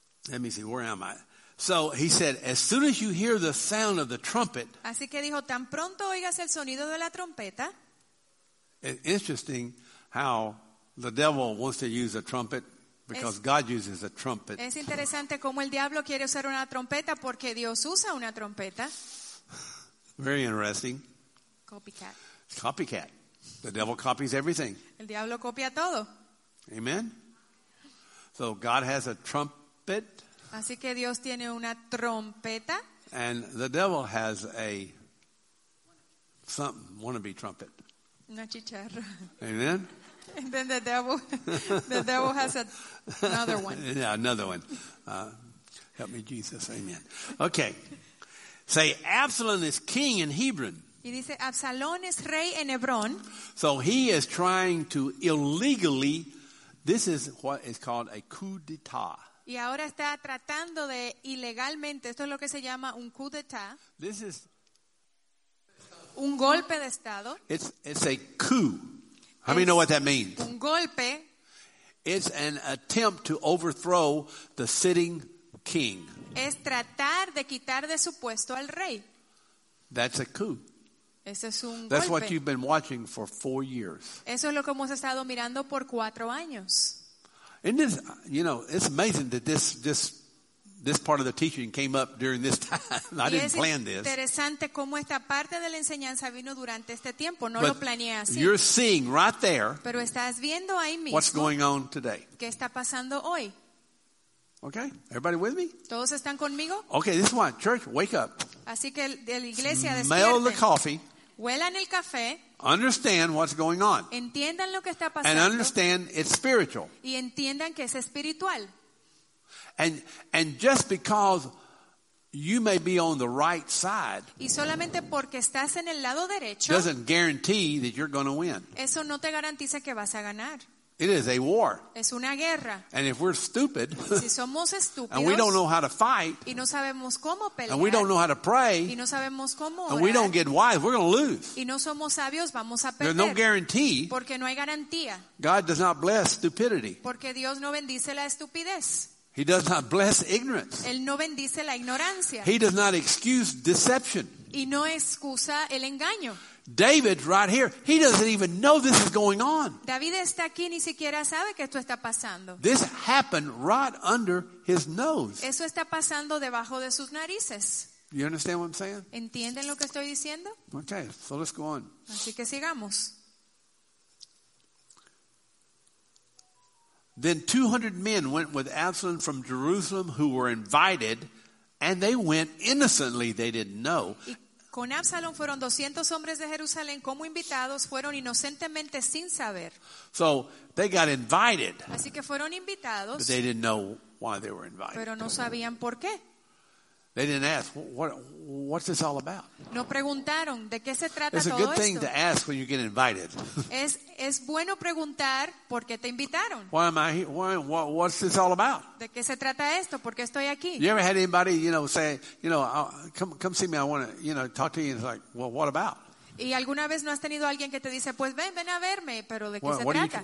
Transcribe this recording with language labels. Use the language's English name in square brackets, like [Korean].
[English] Let me see, where am I? So he said, as soon as you hear the sound of the trumpet. [Spanish] Así que dijo, tan pronto oigas el sonido de la trompeta. [English] It's interesting how the devil wants to use a trumpet because God uses a trumpet. [Spanish] Es interesante cómo el diablo quiere usar una trompeta porque Dios usa una trompeta. [English] Very interesting. Copycat. Copycat. The devil copies everything. [Spanish] El diablo copia todo. [English] Amen. So God has a trumpet. [Spanish] Así que Dios tiene una trompeta. [English] And the devil has a something, wannabe trumpet. [Spanish] Una chicharra. [English] Amen. And then the devil has another one. Yeah, another one. Help me, Jesus. Amen. Okay. Say, Absalom is king in Hebron. [Spanish] Y dice, Absalón es rey en Hebrón. [English] So he is trying to illegally. This is what is called a coup d'état. [Spanish] Y ahora está tratando de ilegalmente, esto es lo que se llama un coup d'état. [English] This is [Spanish] un golpe de estado. [English] It's a coup. How many know what that means? [Spanish] Un golpe. [English] It's an attempt to overthrow the sitting king. [Spanish] Es tratar de quitar de su puesto al rey. [English] That's a coup. [Spanish] Ese es un [English] That's [Spanish] golpe. [English] What you've been watching for 4 years. [Spanish] Eso es lo que hemos estado mirando por 4 años. [English] And this, you know, it's amazing that this part of the teaching came up during this time. I didn't plan this. [Spanish] Interesante cómo esta parte de la enseñanza vino durante este tiempo. No [English] But [Spanish] lo planeé así. [English] You're seeing right there. [Spanish] Pero estás viendo ahí mismo. [English] What's going on today? [Spanish] ¿Qué está pasando hoy? [English] Okay, everybody with me? [Spanish] ¿Todos están conmigo? [English] Okay, this one, church, wake up. [Spanish] Así que la iglesia [English] Smell [Spanish] despierte. [English] The coffee. [Spanish] Huelan el café. [English] Understand what's going on. [Spanish] Entiendan lo que está pasando. [English] And understand it's spiritual. [Spanish] Y entiendan que es espiritual. [English] And just because you may be on the right side. [Spanish] Y solamente porque estás en el lado derecho. [English] Doesn't guarantee that you're going to win. [Spanish] Eso no te garantiza que vas a ganar. [English] It is a war. [Spanish] Es una guerra. [English] And if we're stupid, [Spanish] si somos estúpidos, [English] and we don't know how to fight, [Spanish] y no sabemos cómo pelear, [English] and we don't know how to pray, [Spanish] y no sabemos cómo orar, [English] and we don't get wise, we're going to lose. [Spanish] Y no somos sabios, vamos a perder. [English] There's no guarantee. [Spanish] Porque no hay garantía. [English] God does not bless stupidity. [Spanish] Porque Dios no bendice la estupidez. [English] He does not bless ignorance. [Spanish] Él no bendice la ignorancia. [English] He does not excuse deception. [Spanish] Y no excusa el engaño. [English] David, right here, he doesn't even know this is going on. [Spanish] David está aquí, ni siquiera sabe que esto está pasando. [English] This happened right under his nose. [Spanish] Eso está pasando debajo de sus narices. [English] You understand what I'm saying? [Spanish] ¿Entienden lo que estoy diciendo? [English] Okay, so let's go on. [Spanish] Así que sigamos. [English] Then 200 men went with Absalom from Jerusalem who were invited, and they went innocently, they didn't know. [Spanish] Con Absalom fueron 200 hombres de Jerusalén como invitados, fueron inocentemente sin saber. [English] So they got invited. [Spanish] Así que fueron invitados. [English] But they didn't know why they were invited. [Spanish] Pero no sabían por qué. [English] They didn't ask, what's this all about? [Spanish] No preguntaron, ¿de qué se trata todo esto? [English] It's a good thing to ask when you get invited. [Spanish] Es bueno preguntar por qué te invitaron. [English] Why am I here? What's this all about? [Spanish] ¿De qué se trata esto? ¿Por qué estoy aquí? [English] You ever had anybody, you know, say, you know, come see me, I want to, you know, talk to you. It's like, well, what about? [Spanish] ¿Y alguna vez no has tenido alguien que te dice, pues ven a verme, pero de qué se trata?